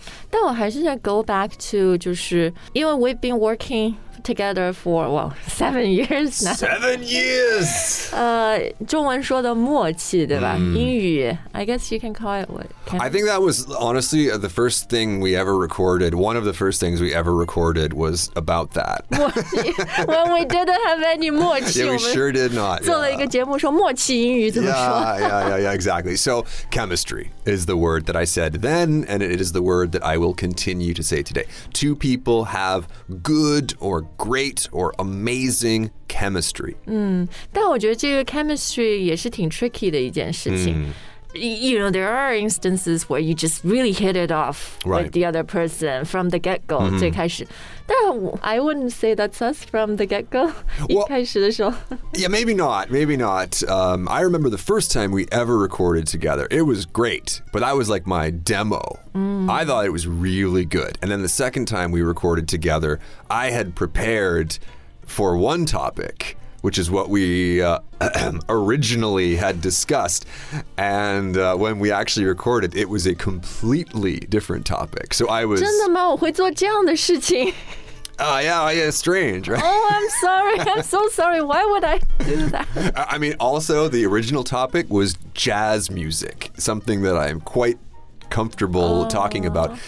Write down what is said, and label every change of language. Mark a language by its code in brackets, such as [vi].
[zh] 但我还是想 [en] go back to [zh] 就是因为 [en] we've been working together for, well, 7 years now. 7 years! [zh] 中文说的默契对吧、英语 [en] I guess you can call it what? I think that was honestly the first thing we ever recorded. One of the first things we ever recorded was about that. When we didn't have any 默契 Yeah, we sure did not. [zh] 做了一个节目说默契英语怎么说 [en] Yeah, exactly. So, chemistry is the word that I said then, and it is the word that I will continue to say today. Two people have good or great or amazing chemistry. [zh] 但我觉得这个 chemistry 也是挺 tricky 的一件事情。 [en] you know, there are instances where you just really hit it off with the other person from the get-go, [zh] 最开始。但 [en] I wouldn't say that's us from the get-go, [zh] 一开始的时候。 [en] Yeah, maybe not, maybe not. I remember the first time we ever recorded together. It was great, but that was like my demo. I thought it was really good. And then the second time we recorded together, I had prepared for one topic,which is what we originally had discussed. And when we actually recorded, it was a completely different topic. So I was... [zh] 真的吗?我会做这样的事情。 [en] Yeah, strange, right? Oh, I'm sorry. I'm so sorry. Why would I do that? I mean, also, the original topic was jazz music, something that I'm quite comfortable talking about.